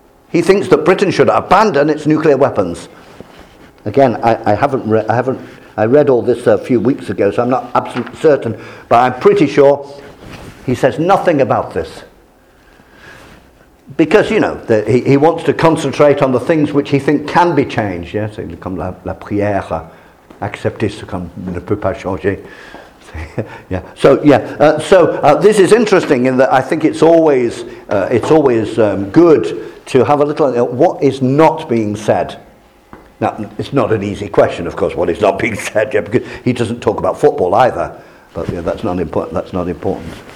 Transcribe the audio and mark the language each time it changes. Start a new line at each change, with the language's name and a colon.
English: He thinks that Britain should abandon its nuclear weapons. Again, I read all this a few weeks ago, so I'm not absolutely certain, but I'm pretty sure he says nothing about this. Because, you know, he wants to concentrate on the things which he thinks can be changed. Yes, yeah? So,
French: comme la prière, accepter ce qu'on ne peut pas changer.
English: Yeah. So this is interesting in that I think it's always good to have a little, what is not being said? Now, it's not an easy question, of course, what is not being said, yeah, because he doesn't talk about football either. But yeah, that's not important.